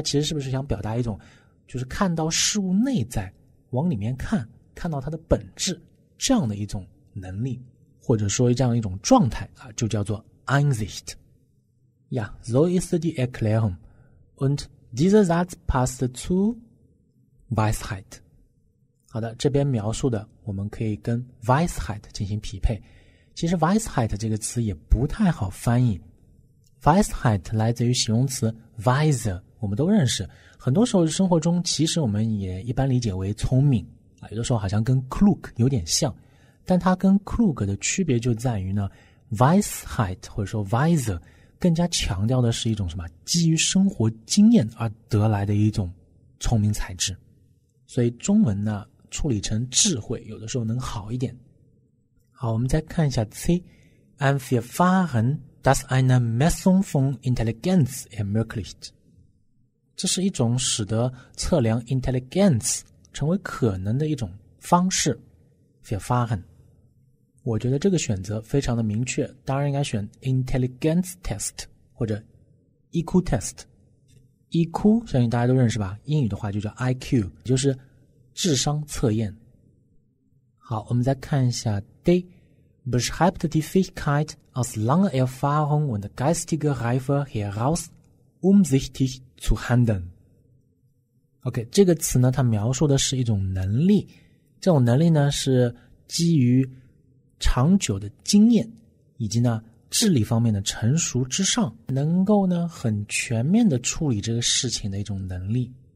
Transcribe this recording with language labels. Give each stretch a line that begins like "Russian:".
Chinese: 其实是不是想表达一种就是看到事物内在，往里面看，看到它的本质，这样的一种能力，或者说这样一种状态啊，就叫做 Einsicht。
German: Ja, so ist die Erklärung. Und dieser Satz passt zu Weisheit.
Chinese: 好的，这边描述的我们可以跟 Weisheit 进行匹配。其实 Weisheit 这个词也不太好翻译， Weisheit 来自于形容词 Weise， 我们都认识，很多时候生活中其实我们也一般理解为聪明，有的时候好像跟 Klug 有点像，但它跟 Klug 的区别就在于呢， Weisheit 或者说 Weise 更加强调的是一种什么基于生活经验而得来的一种聪明才智。所以中文呢处理成智慧有的时候能好一点。好，我们再看一下 C。
German: Ein Verfahren, das eine Messung von Intelligenz ermöglicht，
Chinese: 这是一种使得测量 Intelligence 成为可能的一种方式。 Verfahren， 我觉得这个选择非常的明确，当然应该选 intelligence test 或者 EQ test。 EQ 相信大家都认识吧，英语的话就叫 IQ， 就是智商测验。好，我们再看一下 D。
German: Beschreibt die Fähigkeit aus langer Erfahrung und geistiger Reife heraus umsichtig zu handeln。
Chinese: OK， 这个词呢它描述的是一种能力，这种能力呢是基于长久的经验以及呢智力方面的成熟之上，能够呢很全面的处理这个事情的一种能力。